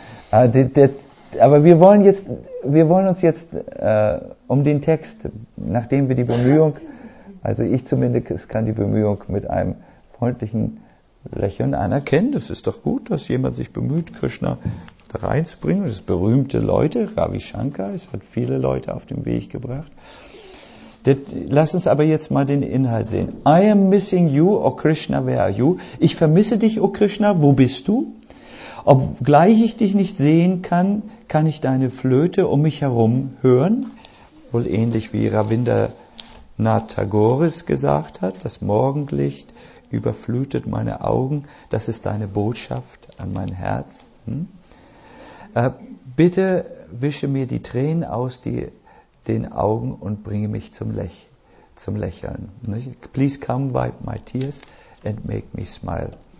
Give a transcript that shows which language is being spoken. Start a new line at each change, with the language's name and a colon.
German: Aber wir wollen uns jetzt um den Text, nachdem wir die Bemühung, also ich zumindest kann die Bemühung mit einem freundlichen Lächeln anerkennen. Das ist doch gut, dass jemand sich bemüht, Krishna da reinzubringen. Das ist berühmte Leute, Ravi Shankar, es hat viele Leute auf den Weg gebracht. Lass uns aber jetzt mal den Inhalt sehen.
English: I am missing you, O Krishna, where are you?
German: Ich vermisse dich, O Krishna, wo bist du? Obgleich ich dich nicht sehen kann, kann ich deine Flöte um mich herum hören. wohl ähnlich wie Rabindranath Tagore gesagt hat, das Morgenlicht überflutet meine Augen, das ist deine Botschaft an mein Herz. Bitte wische mir die Tränen aus den Augen und bringe mich zum Lächeln.
English: Please come wipe my tears and make me smile.